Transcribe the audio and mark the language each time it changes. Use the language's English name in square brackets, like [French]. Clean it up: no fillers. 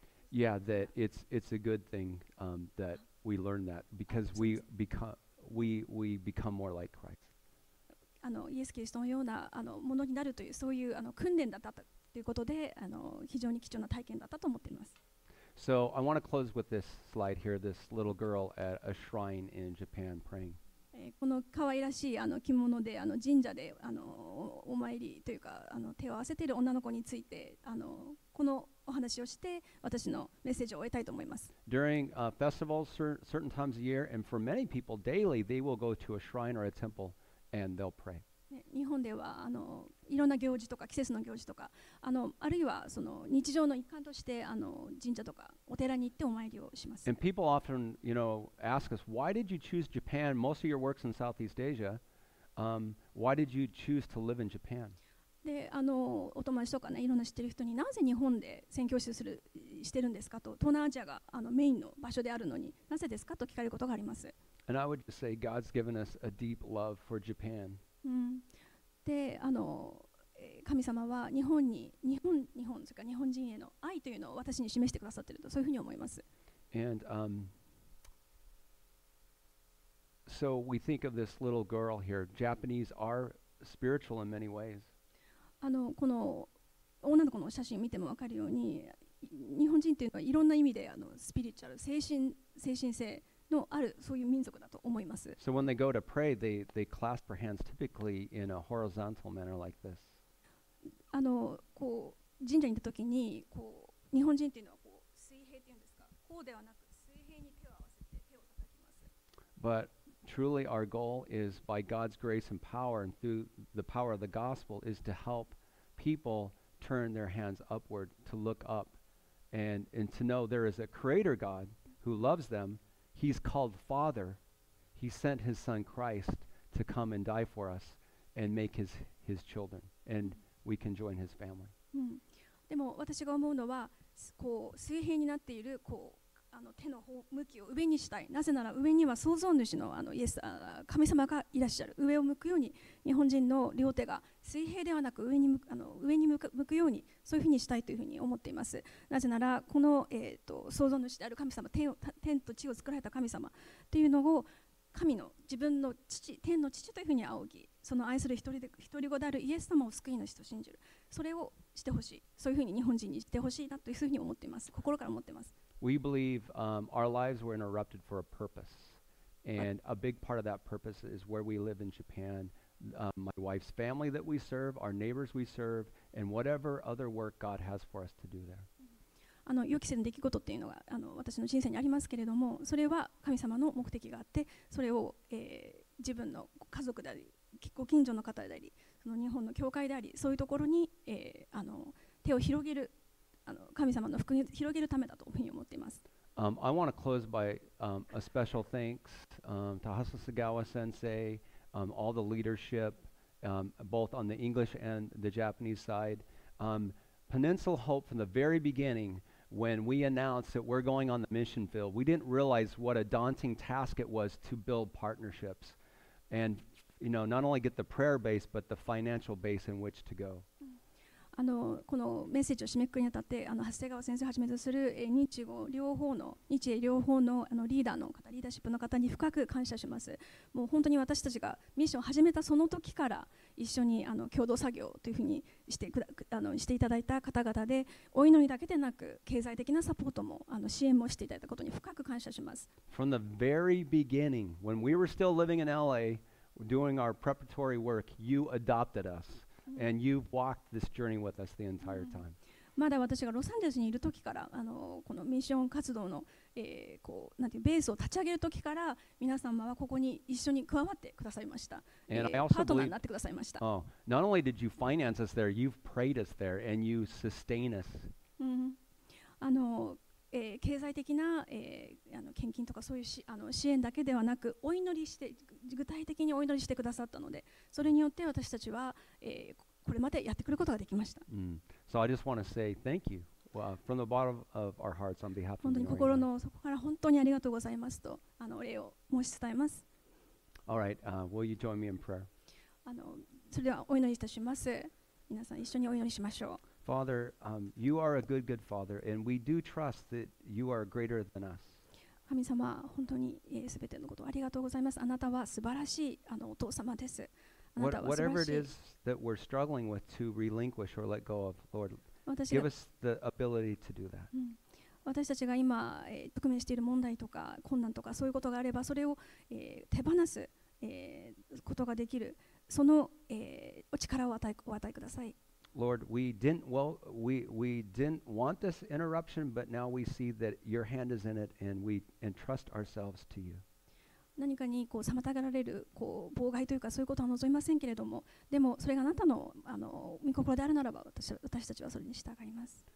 [English] Yeah, that it's a good thing that we learn that because we become more like Christ. [Japanese] あのイエス・キリストのようなあのものになるというそういうあの訓練だったということであの非常に貴重な体験だったと思っています。 [English] So I want to close with this slide here. This little girl at a shrine in Japan praying. [Japanese] この可愛らしいあの着物であの神社であのお参りというかあの手を合わせている女の子についてあのこのお話をして私のメッセージを終えたいと思います。 [English] During festivals, certain times of year, and for many people daily, they will go to a shrine or a temple. And they'll pray. [Japanese] 日本ではあのいろんな行事とか季節の行事とか あのあるいはその日常の一環としてあの神社とかお寺に行ってお参りをします。 [English] And people often, you know, ask us, why did you choose Japan? Most of your work's in Southeast Asia. Why did you choose to live in Japan? [Japanese] であのお友達とかねいろんな知ってる人になぜ日本で宣教師するしてるんですかと東南アジアがあのメインの場所であるのになぜですかと聞かれることがあります。 [English] And I would just say God's given us a deep love for Japan. [Japanese] であの神様は日本それから日本人への愛というのを私に示してくださっているとそういうふうに思います。 [English] And so we think of this little girl here. Japanese are spiritual in many ways. [Japanese] あのこの女の子の写真を見ても分かるように日本人というのはいろんな意味であのスピリチュアル精神性のあるそういう民族だと思います。 [English] So when they go to pray, they clasp her hands typically in a horizontal manner like this. [Japanese] あのこう神社に行った時にこう日本人っていうのはこう水平っていうんですか、こうではなく水平に手を合わせて手を叩きます。 [English] But truly our goal is by God's grace and power and through the power of the gospel is to help people turn their hands upward to look up and to know there is a creator God who loves them. He's called Father. He sent His Son Christ to come and die for us and make His children. And we can join His family. [Japanese] でも私が思うのは、こう水平になっているこうあの手の向きを上にしたい。なぜなら上には創造主のあのイエス神様がいらっしゃる。上を向くように日本人の両手が水平ではなく上に向くあの上に向くようにそういうふうにしたいというふうに思っています。なぜならこの創造主である神様天と地を作られた神様っていうのを神の自分の父天の父というふうに仰ぎその愛する一人子であるイエス様を救い主と信じるそれをしてほしいそういうふうに日本人にしてほしいなというふうに思っています。心から思っています。 [English] We believe our lives were interrupted for a purpose. And a big part of that purpose is where we live in Japan. My wife's family that we serve, our neighbors we serve, and whatever other work God has for us to do there. [Japanese] あの、予期せぬ出来事っていうのが、あの、私の人生にありますけれども、それは神様の目的があって、それを、自分の家族であり、ご近所の方であり、その日本の教会であり、そういうところに、あの、手を広げる。神様の福音を広げるためだというふうに思っています。 [English] I want to close by a special thanks to Hasasagawa Sensei, all the leadership, both on the English and the Japanese side. Peninsula Hope from the very beginning, when we announced that we're going on the mission field, we didn't realize what a daunting task it was to build partnerships and, you know, not only get the prayer base, but the financial base in which to go. [Japanese] あのこのメッセージを締めくくりにあたってあの長谷川先生をはじめとする日英両方の、 あのリーダーの方リーダーシップの方に深く感謝します。もう本当に私たちがミッションを始めたその時から一緒にあの共同作業というふうにしていただいた方々でお祈りだけでなく経済的なサポートもあの支援もしていただいたことに深く感謝します。 [English] From the very beginning when we were still living in LA doing our preparatory work you adopted usAnd you've walked this journey with us the entire time. [Japanese] まだ私がロサンゼルスにいる時から、あのこのミッション活動の、こうなんていうベースを立ち上げる時から、皆様はここに一緒に加わってくださいました。パートナーになってくださいました。 [English] Oh, not only did you finance us there, you've prayed us there, and you sustain us. [Japanese] あの、経済的な、あの献金とかそういうしあの支援だけではなく、お祈りして具体的にお祈りしてくださったので、それによって私たちは、これまでやってくることができました。 Mm. [English] So I just want to say thank you from the bottom of our hearts on behalf of Mary. [Japanese] 本当に心の底から本当にありがとうございますとあのお礼を申し伝えます。 [English] All right, will you join me in prayer? [Japanese] あのそれではお祈りいたします。皆さん一緒にお祈りしましょう。 [English] Father, you are a good, good Father, and we do trust that you are greater than us. [Japanese] 神様、本当に全てのことをありがとうございます。あなたは素晴らしいあのお父様です。 [English] Whatever it is that we're struggling with to relinquish or let go of, Lord, give us the ability to do that. [Japanese] 私たちが今、直面している問題とか困難とかそういうことがあれば、それを、手放す、ことができる、その、お力を与えください。 [English] Lord, we didn't want this interruption, but now we see that your hand is in it and we entrust ourselves to you. [Japanese] 何かにこう妨げられるこう妨害というかそういうことは望みませんけれども、でもそれがあなたの あの御心であるならば私たちはそれに従います。